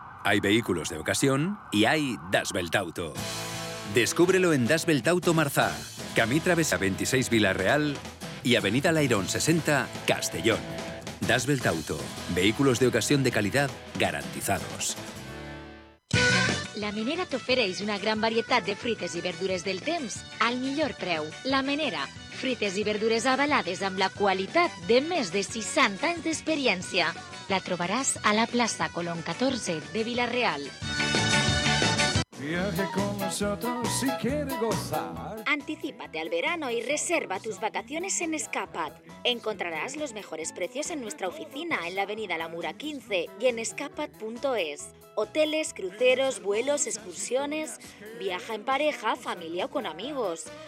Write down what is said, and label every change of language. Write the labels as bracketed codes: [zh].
[es] Hay vehículos de ocasión y hay Das Belt Auto. Descúbrelo en Das Belt Auto Marzá, Camí Travesa 26 Villarreal y Avenida Lairón 60 Castellón. Das Belt Auto. Vehículos de ocasión de calidad garantizados. [ca] La Menera t'ofereix una gran varietat de frites i verdures del temps al millor preu. La Menera, frites i verdures avalades amb la qualitat de més de 60 anys d'experiència. La trobaràs a la plaça Colón 14 de Villarreal. [es] Viaje con nosotros si quiere gozar. Anticípate al verano y reserva tus vacaciones en Escapat. Encontrarás los mejores precios en nuestra oficina en la avenida La Mura 15 y en escapat.es. Hoteles, cruceros, vuelos, excursiones, viaja en pareja, familia o con amigos.